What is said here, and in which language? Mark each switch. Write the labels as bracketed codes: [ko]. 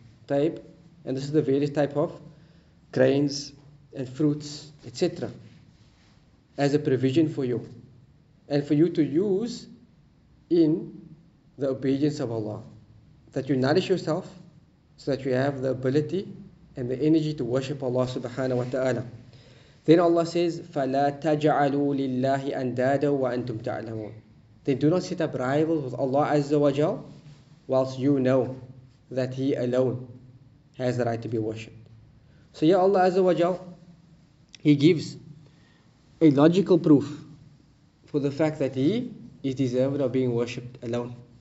[en] Type, and this is the various type of grains and fruits, etc., as a provision for you, and for you to use in the obedience of Allah, that you nourish yourself so that you have the ability and the energy to worship Allah subhanahu wa ta'ala. Then Allah says, [ar] فَلَا تَجْعَلُوا لِلَّهِ أَنْدَادًا وَأَنْتُمْ تَعْلَمُونَ. [en] Then do not set up rivals with Allah Azza wa Jal whilst you know that He alone has the right to be worshipped. So here Allah Azza wa Jal, He gives a logical proof for the fact that He is deserved of being worshipped alone.